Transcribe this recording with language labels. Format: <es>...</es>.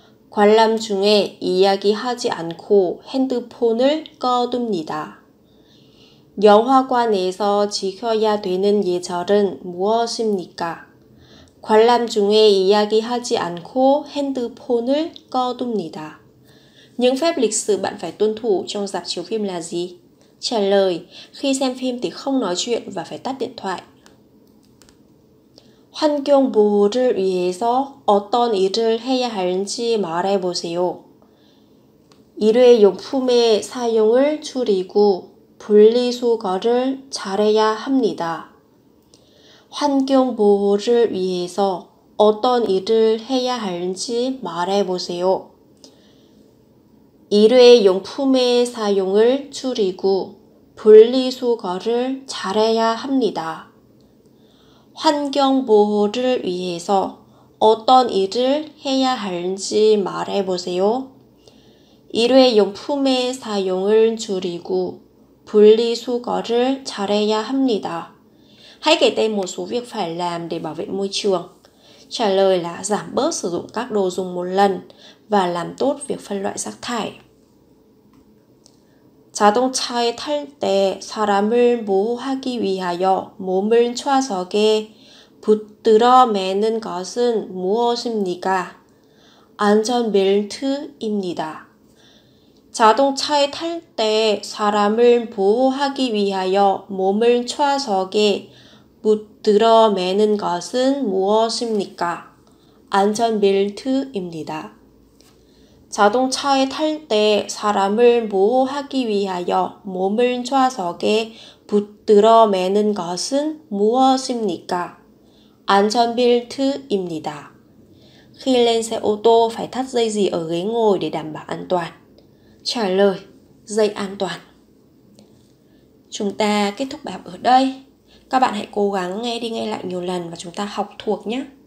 <ko>관람 중에 이야기하지 않고 핸드폰을 꺼둡니다. 영화관에서 지켜야 되는 예절은 무엇입니까? 관람 중에 이야기하지 않고 핸드폰을 꺼둡니다.</ko> <vi>Những phép lịch sự bạn phải tuân thủ trong rạp chiếu phim là gì? Trả lời: khi xem phim thì không nói chuyện và phải tắt điện thoại.</vi> <ko>환경 보호를 위해서 어떤 일을 해야 하는지 말해 보세요. 일회용품의 사용을 줄이고 분리수거를 잘해야 합니다. 환경 보호를 위해서 어떤 일을 해야 하는지 말해 보세요. 일회용품의 사용을 줄이고 분리수거를 잘해야 합니다. 환경 보호를 위해서 어떤 일을 해야 하는지 말해 보세요. 일회용품의 사용을 줄이고 분리수거를 잘해야 합니다.</ko> <vi>Hãy kể tên một số việc phải làm để bảo vệ môi trường. Trả lời là giảm bớt sử dụng các đồ dùng một lần và làm tốt việc phân loại rác thải.</vi> <ko>자동차에 탈 때 사람을 보호하기 위하여 몸을 좌석에 붙들어 매는 것은 무엇입니까? 안전벨트입니다. 자동차에 탈 때 사람을 보호하기 위하여 몸을 좌석에 붙들어 매는 것은 무엇입니까? 안전벨트입니다. 자동차에 탈 때 사람을 보호하기 위하여 몸을 좌석에 붙들어 매는 것은 무엇입니까? 안전벨트입니다.</ko> <vi>Khi lên xe ô tô phải thắt dây gì ở ghế ngồi để đảm bảo an toàn? Trả lời: dây an toàn. Chúng ta kết thúc bài học ở đây. Các bạn hãy cố gắng nghe đi nghe lại nhiều lần và chúng ta học thuộc nhé.</vi>